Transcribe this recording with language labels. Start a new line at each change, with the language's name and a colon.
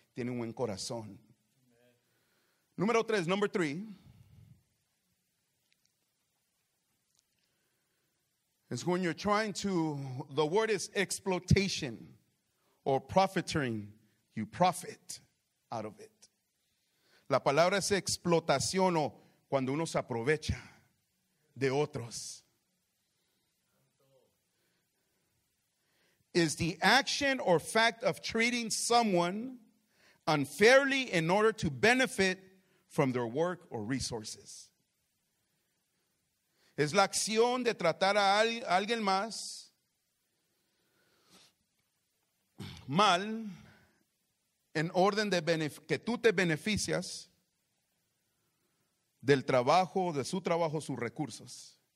Spanish: Tiene un buen corazón. Amen.
English: Number three. Is when you're trying to, the word is exploitation or profiteering. You profit out of it.
Spanish: La palabra es explotación, o cuando uno se aprovecha de otros.
English: Is the action or fact of treating someone unfairly in order to benefit from their work or resources.
Spanish: Es la acción de tratar a alguien más mal en orden de que tú te beneficias del trabajo, de su trabajo, sus recursos.